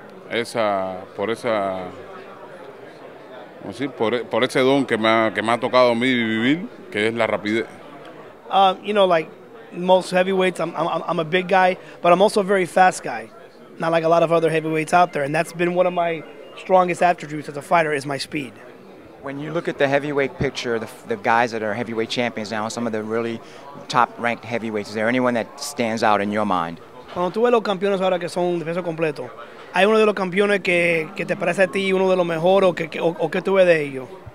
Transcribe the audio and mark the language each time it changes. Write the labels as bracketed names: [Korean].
[Spanish] esa por esa vamos a decir, por ese don que me ha tocado a mí vivir, que es la rapidez. [English] You know, like most heavyweights, I'm a big guy, but I'm also a very fast guy. Not like a lot of other heavyweights out there, and that's been one of my strongest attributes as a fighter is my speed. When you look at the heavyweight picture, the guys that are heavyweight champions now, some of the really top-ranked heavyweights, is there anyone that stands out in your mind? [Spanish] Cuando tú ves los campeones ahora que son de peso completo, ¿hay uno de los campeones que te parece a ti uno de los mejores o que tú ves de ellos?